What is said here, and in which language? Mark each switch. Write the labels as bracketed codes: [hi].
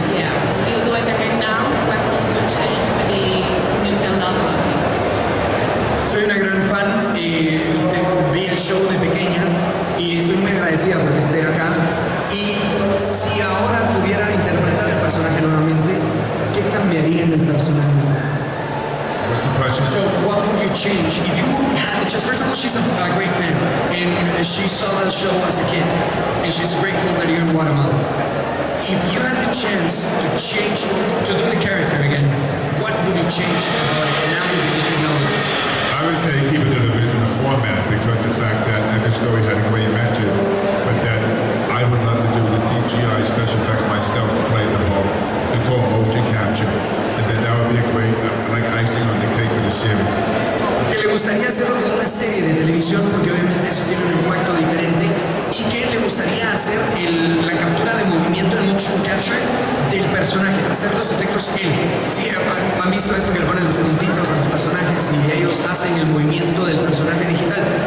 [en] Yeah, you do it again now. What will you change with the new technology? [es] Soy una gran fan y vi el show de pequeña decía, porque estoy acá. Y si ahora tuviera que interpretar el personaje nuevamente, ¿qué cambiaría en el personaje? [en] So what would you change if you had just, first of all, she's a great fan and she saw the show as a kid and she's grateful that you're in Guatemala. If you had the chance to change, to do the character again, what would you change about it? And how would you know this? I would say keep it in the original format because the fact that the story had a great message, but that I would love to do the CGI special effect myself to play the role, to call motion capture. That would be a great, like icing on the cake for the series. [es] ¿Qué le gustaría hacerlo con una serie de televisión? Porque obviamente eso tiene un impacto diferente. ¿Y qué le gustaría hacer el, la captura de movimiento, el motion capture del personaje? Hacer los efectos él. ¿Sí? ¿Han visto esto que le ponen los puntitos a los personajes y ellos hacen el movimiento del personaje digital?